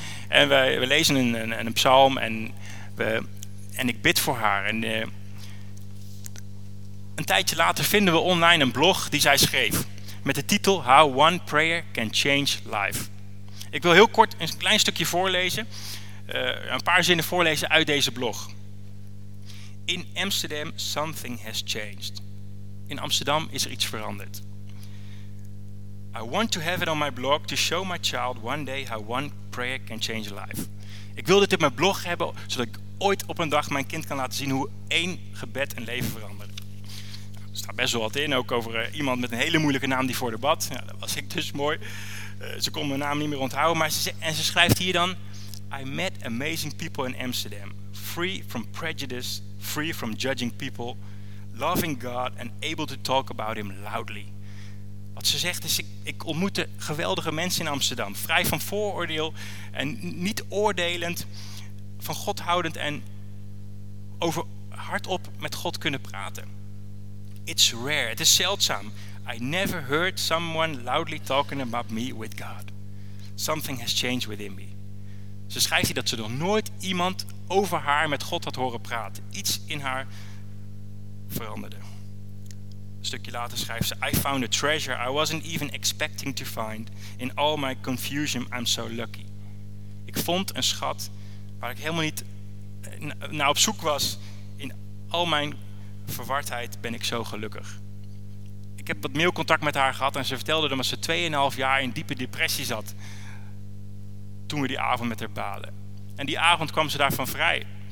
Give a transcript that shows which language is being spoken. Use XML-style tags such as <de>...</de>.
<nl>En we lezen een psalm en ik bid voor haar. En een tijdje later vinden we online een blog die zij schreef. Met de titel How One Prayer Can Change Life. Ik wil heel kort een klein stukje voorlezen. Een paar zinnen voorlezen uit deze blog.</nl> <en>In Amsterdam something has changed.</en> <nl>In Amsterdam is er iets veranderd.</nl> <en>I want to have it on my blog to show my child one day how one prayer can change a life.</en> <nl>Ik wil dit op mijn blog hebben, zodat ik ooit op een dag mijn kind kan laten zien hoe één gebed een leven verandert. Nou, er staat best wel wat in, ook over iemand met een hele moeilijke naam die voor de bad. Nou, dat was ik dus, mooi. Ze kon mijn naam niet meer onthouden. Maar ze schrijft hier dan,</nl> <en>I met amazing people in Amsterdam. Free from prejudice, free from judging people. Loving God and able to talk about him loudly.</en> <nl>Wat ze zegt is, ik ontmoette geweldige mensen in Amsterdam. Vrij van vooroordeel en niet oordelend, van God houdend en over hardop met God kunnen praten.</nl> <en>It's rare,</en> <nl>het is zeldzaam.</nl> <en>I never heard someone loudly talking about me with God. Something has changed within me.</en> <nl>Ze schrijft hier dat ze nog nooit iemand over haar met God had horen praten. Iets in haar veranderde. Een stukje later schrijft ze,</nl> <en>I found a treasure I wasn't even expecting to find. In all my confusion, I'm so lucky.</en> <nl>Ik vond een schat waar ik helemaal niet naar op zoek was. In al mijn verwardheid ben ik zo gelukkig. Ik heb wat mailcontact met haar gehad en ze vertelde dat ze 2,5 jaar in diepe depressie zat. Toen we die avond met haar baden. En die avond kwam ze daarvan vrij.</nl>